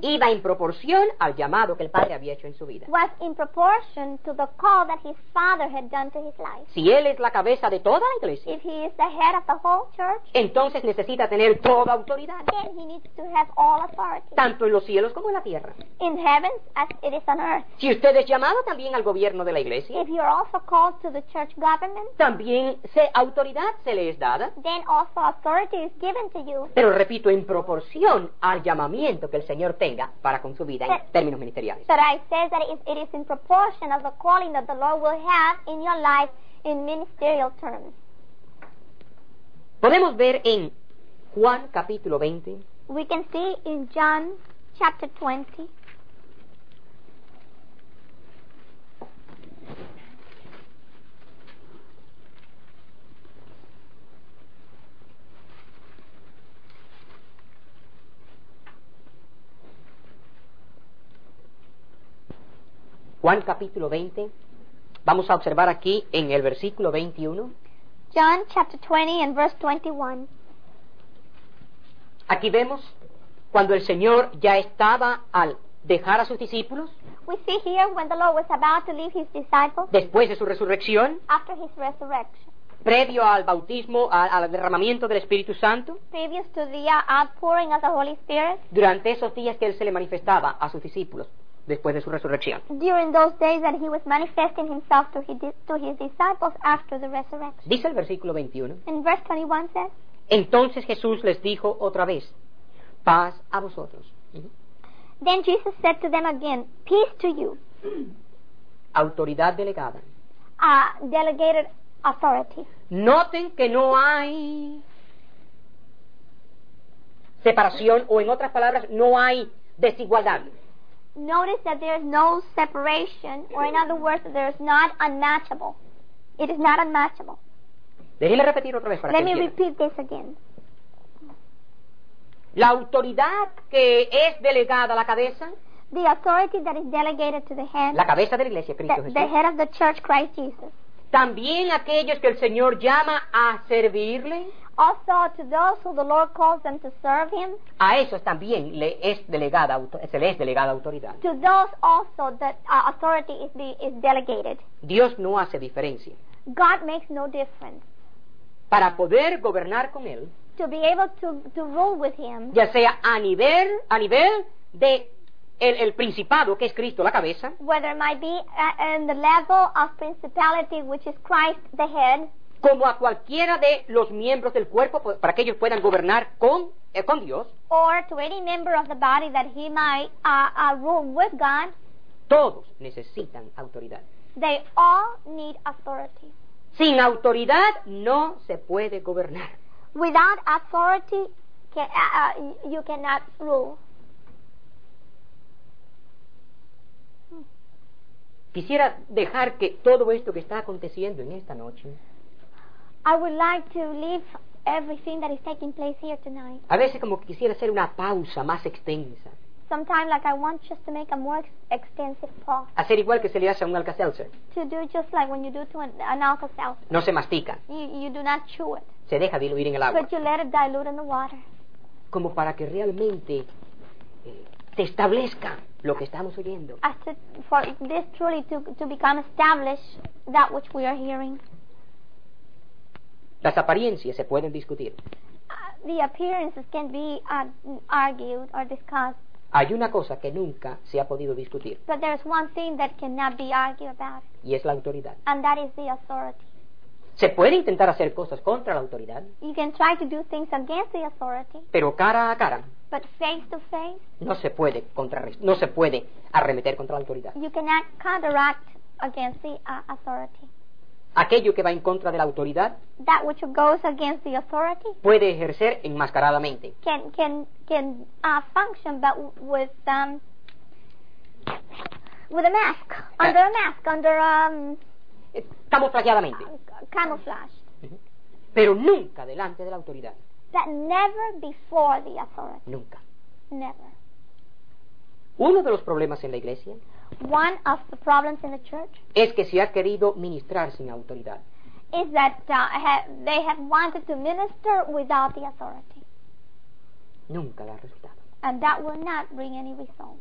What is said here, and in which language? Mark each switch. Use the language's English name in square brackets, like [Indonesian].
[Spanish] iba en proporción al llamado que el Padre había hecho en su vida. [English] Was in proportion to the call that his Father had done to his life. [Spanish] Si él es la cabeza de toda la iglesia, [English] if he is the head of the whole church, [Spanish] entonces necesita tener toda autoridad. [English] Then he needs to have all authority. [Spanish] Tanto en los cielos como en la tierra. [English] In heaven as it is on earth. [Spanish] Si usted es llamado también al gobierno de la iglesia, [English] if you are also called to the church government, [Spanish] también autoridad se le es dada. [English] Then also authority is given to you. [Spanish] Pero repito, en proporción al llamamiento que el Señor tenga para con su vida en términos ministeriales. [English] But I say that it is in proportion of the calling that the Lord will have in your life in ministerial terms. [Spanish] Podemos ver en Juan capítulo 20. [English] We can see in John chapter 20. [Spanish] Juan capítulo 20, vamos a observar aquí en el versículo 21. [English] John chapter 20 and verse 21. [Spanish] Aquí vemos cuando el Señor ya estaba al dejar a sus discípulos. [English] We see here when the Lord was about to leave his disciples. [Spanish] Después de su resurrección. [English] After his resurrection. [Spanish] Previo al bautismo, al derramamiento del Espíritu Santo. [English] Previous to the outpouring of the Holy Spirit. [Spanish] Durante esos días que él se le manifestaba a sus discípulos. Después de su resurrección. [English] During those days that he was manifesting himself to his disciples after the resurrection. [Spanish] Dice el versículo 21. [English] In verse 21 says. [Spanish] Entonces Jesús les dijo otra vez, paz a vosotros. [English] Then Jesus said to them again, peace to you. [Spanish] Autoridad delegada. [English] A delegated authority. [Spanish] Noten que no hay separación, o en otras palabras, no hay desigualdad. [English] Notice that there is no separation, or in other words, there is not unmatchable. It is not unmatchable. [Spanish] Déjeme repetir otra vez para que entiendan. [English] Let me repeat this again. [Spanish] La autoridad que es delegada a la cabeza. [English] The authority that is delegated to the head. [Spanish] La cabeza de la iglesia, Cristo Jesús. [English] The head of the church, Christ Jesus. [Spanish] También aquellos que el Señor llama a servirle. [English] Also to those who the Lord calls them to serve him. [Spanish] A esos también se les es delegada autoridad. [English] To those also that authority is delegated. [Spanish] Dios no hace diferencia. [English] God makes no difference. [Spanish] Para poder gobernar con él. [English] To be able to rule with him. [Spanish] Ya sea a nivel de el principado, que es Cristo la cabeza. [English] Whether it might be in the level of principality, which is Christ the head. [Spanish] Como a cualquiera de los miembros del cuerpo, para que ellos puedan gobernar con Dios. [English] Or to any member of the body that he might rule with God. [Spanish] Todos necesitan autoridad. [English] They all need authority. [Spanish] Sin autoridad no se puede gobernar. [English] Without authority you cannot rule. [Spanish] Quisiera dejar que todo esto que está aconteciendo en esta noche. [English] I would like to leave everything that is taking place here tonight. [Spanish] A veces como que quisiera hacer una pausa más extensa. [English] Sometimes like I want just to make a more extensive pause. [Spanish] Hacer igual que se le hace a un Alka-Seltzer. [English] To do just like when you do to an Alka-Seltzer. [Spanish] No se mastica. [English] You do not chew it. [Spanish] Se deja diluir en el agua. [English] But you let it dilute in the water. [Spanish] Como para que realmente se establezca lo que estamos oyendo. [English] As to, for this truly to become established that which we are hearing. [Spanish] Las apariencias se pueden discutir. [English] The appearances can be argued or discussed. [Spanish] Hay una cosa que nunca se ha podido discutir. [English] But there is one thing that cannot be argued about. [Spanish] Y es la autoridad. [English] And that is the authority. [Spanish] Se puede intentar hacer cosas contra la autoridad. [English] You can try to do things against the authority. [Spanish] Pero cara a cara. [English] But face to face. [Spanish] No se puede arremeter contra la autoridad. [English] You cannot counteract against the authority. [Spanish] Aquello que va en contra de la autoridad. [English] That which goes against the authority. [Spanish] Puede ejercer enmascaradamente. [English] Can function but with a mask. Under a mask. Under [Spanish] camuflajeadamente. [English] Camouflaged. [Spanish] Pero nunca delante de la autoridad. [English] But never before the authority. [Spanish] Nunca. [English] Never. [Spanish] Uno de los problemas en la iglesia. [English] One of the problems in the church [Spanish] es que se ha querido ministrar sin autoridad. [English] is that they have wanted to minister without the authority. [Spanish] Nunca da resultado. [English] And that will not bring any result.